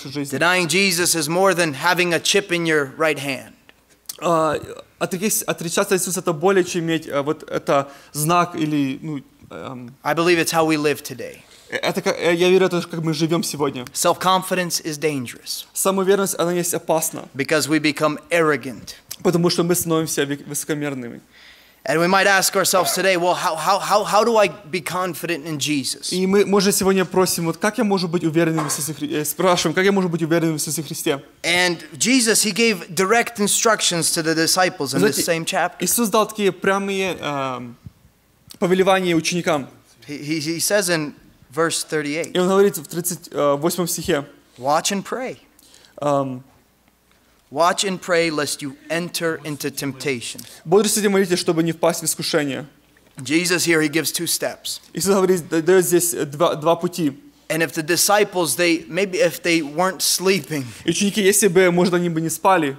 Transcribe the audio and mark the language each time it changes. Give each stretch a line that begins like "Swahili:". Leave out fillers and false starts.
English: Denying Jesus is more than having a chip in your right hand.
Russian: Отречаться от Иисуса — это более чем иметь вот это знак или
English: I believe it's how we live today.
Russian: Я верю, это как мы живем сегодня.
English: Self-confidence is dangerous.
Russian: Самоуверенность, она есть опасна.
English: Because we become arrogant.
Russian: Потому что мы становимся высокомерными.
English: And we might ask ourselves today, well, how do I be confident in Jesus?
Russian: И мы можем сегодня просим, вот как я могу быть уверенным в Иисусе Христе? Спрашиваем, как я могу быть уверенным в Иисусе Христе?
English: And Jesus, he gave direct instructions to the disciples in this same chapter.
Russian: Иисус дал такие прямые повелевания ученикам.
English: He says in verse 38.
Russian: И он говорит в 38 стихе.
English: Watch and pray. Watch and pray lest you enter into temptation.
Russian: Бодрствуйте и молитесь, чтобы не впасть в искушение.
English: Jesus here, he gives two steps.
Russian: Иисус говорит, дает здесь два пути.
English: And if the disciples, if they weren't sleeping.
Russian: Ученики, если бы, может, они бы не спали.